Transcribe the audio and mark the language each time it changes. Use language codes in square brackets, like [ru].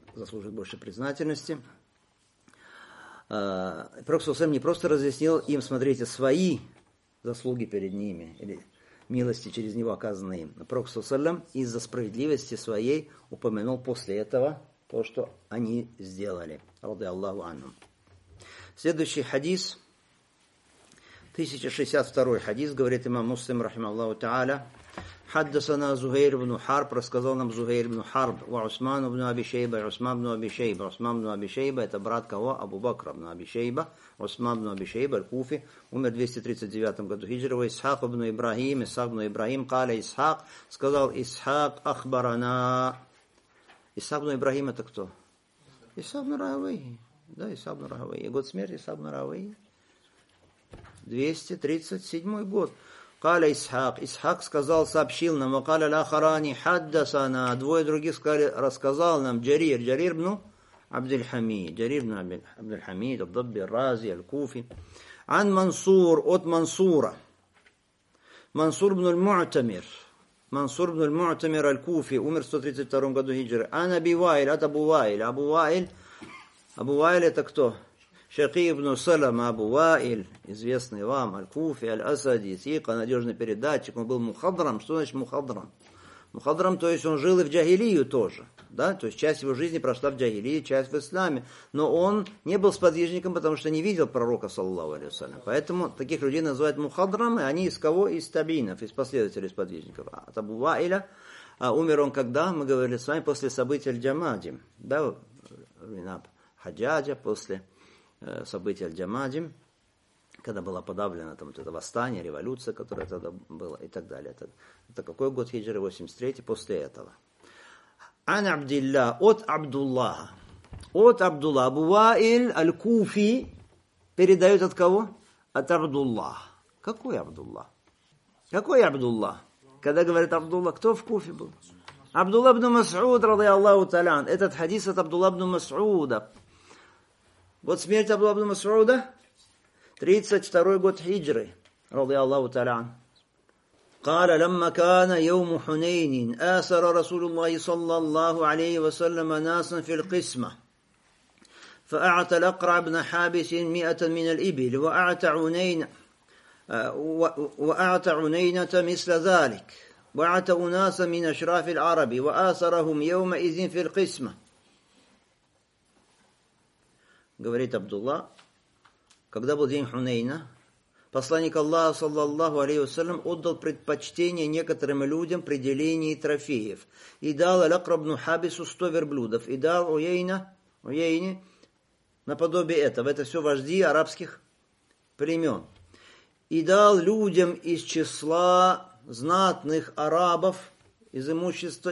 [ru] Заслуживает больше признательности. Пророк Сусам не просто разъяснил им, смотрите, свои заслуги перед ними, или милости через него оказанные им. Пророк Сусам из-за справедливости своей упомянул после этого то, что они сделали. Ради Аллаху Анум. Следующий хадис, 1062 хадис, говорит имам Муслим, рахима Аллаху Та'аля, [ar] حدثنا زهير بن حرب [ru] рассказал нам زهير بن حرب وعثمان بن أبي شيبة عثمان بن أبي شيبة عثمان بن أبي شيبة это брат кого? Абу Бакр ибн Аби Шейба. Усман ибн Аби Шейба аль-Куфи, умер в 239 году хиджры. Ва Исхак ибн Ибрахим, Исхак ибн Ибрахим, قال Исхак, сказал Исхак, ахбарана. Исхак ибн Ибрахим это кто? Исхак ибн Равии. Да, Исхак ибн Равии. Год смерти Исхак ибн Равии. 237 год. [ar] قال إسحاق إسحاق [ru] сказал сообщил нам [ar] وقال الآخران حدثنا [ru] двое других сказали рассказал нам [ar] جرير جرير بن عبد الحميد جرير بن عبد الحميد الضبي الرازي الكوفي عن منصور [ru] от Мансура منصور بن المعتمر منصور بن المعتمر الكوفي умер 132 году хиджры [ar] عن أبي وائل [ru] от أبو وائل أبو وائل أبو وائل это кто Шахи ибн Салам Абу Ваиль, известный вам, Аль-Куфи, Аль-Асади, Сика, надежный передатчик, он был мухадрам. Что значит мухадрам? Мухаддарам, то есть он жил и в джагилию тоже. Да? То есть часть его жизни прошла в джагилии, часть в исламе. Но он не был сподвижником, потому что не видел пророка, саллаллаху алейхи ва саллям. Поэтому таких людей называют мухаддарами. Они из кого? Из табиинов, из последователей сподвижников. От Абу Ваиля. А умер он когда? Мы говорили с вами после событий Аль-Джамади. Да, Ринаб Хаджаджа, после событий Аль-Джамади. Когда было подавлено там, вот это восстание, революция, которая тогда была, и так далее. Это какой год хиджры? 83-й, после этого. Ан Абдилля, от Абдуллаха. От Абдулла. Абу Ваиль Аль-Куфи передает от кого? От Абдуллаха. Какой Абдулла? Какой Абдулла? Когда говорит Абдулла, кто в Куфе был? Абдулла ибн Мас'уд, ради Аллаху Талян. Этот хадис от Абдулла ибн Мас'уда. Вот смерть Абдулла ибн Мас'уда. 32-й год хиджры, [ar] رضي الله تعالى قال لما كان يوم حنين آثر رسول الله صلى الله عليه وسلم ناسا في القسمة فأعطى الأقرع بن حابس 100 من الإبل وأعطى عنينة مثل ذلك وأعطى أناسا من أشراف العرب وآثرهم يومئذ في القسمة [ru] говорит Абдуллах. Когда был день Хунейна, посланник Аллаха, саллаллаху алейхи ва саллям, отдал предпочтение некоторым людям при делении трофеев. И дал Аль-Акра ибн Хабису 100 верблюдов. И дал Уейне наподобие этого. Это все вожди арабских племен. И дал людям из числа знатных арабов из имущества.